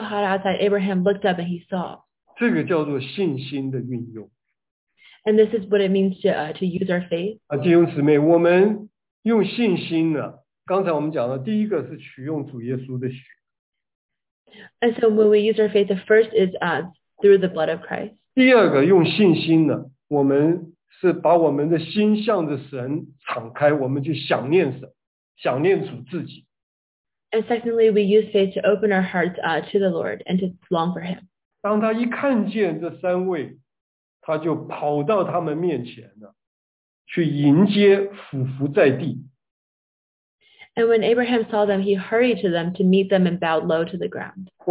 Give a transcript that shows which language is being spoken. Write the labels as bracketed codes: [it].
[en] when it was so hot outside, Abraham looked up and he saw. [zh] 这个叫做信心的运用。 [en] And this is what it means to use our faith. [zh] 弟兄姊妹，我们用信心呢，刚才我们讲的第一个是取用主耶稣的血。 [en] And so when we use our faith, the first is through the blood of Christ. [zh] 第二个，用信心呢，我们是把我们的心向着神敞开，我们就想念神，想念主自己。 [en] And secondly, we use faith to open our hearts to the Lord and to long for Him. [zh] 当他一看见这三位，他就跑到他们面前呢，去迎接，俯伏在地。 [en] And when Abraham saw them, he hurried to them to meet them and bowed low to the ground.